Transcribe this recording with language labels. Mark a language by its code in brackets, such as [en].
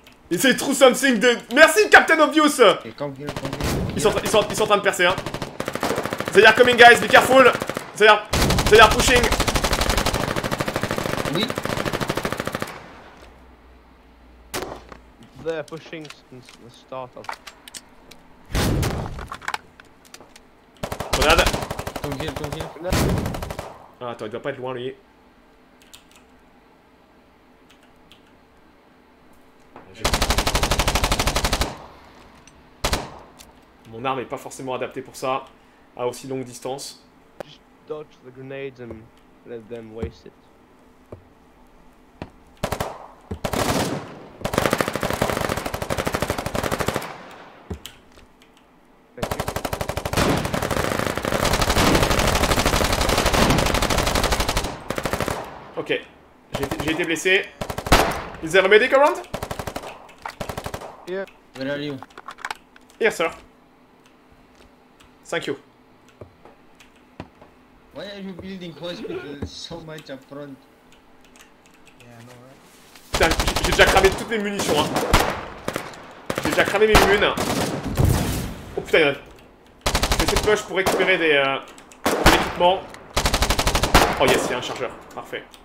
[fr] Et c'est [en] true something [fr] de... Merci Captain Obvious. Ils sont en train de percer, hein. [en] They are coming guys, be careful. They are pushing. [fr] Oui. [en] They're pushing since the start of... Grenade. Come here. [fr] Ah, attends, il doit pas être loin lui. Mon arme est pas forcément adaptée pour ça, à aussi longue distance. [en] Just dodge the grenades and let them waste it. Thank you. [fr] Ok, j'ai été blessé. [en] Is there a medic around? Here. Where are you? Here, sir. Thank you. Why are you building hospitals so much up front? Yeah, no, right? [fr] J'ai déjà cramé toutes mes munitions, hein. J'ai déjà cramé mes munitions. Hein. Oh putain, y'en a. J'ai cette flush pour récupérer des. Équipements. [en] Oh yes, [fr] y'a un chargeur. Parfait.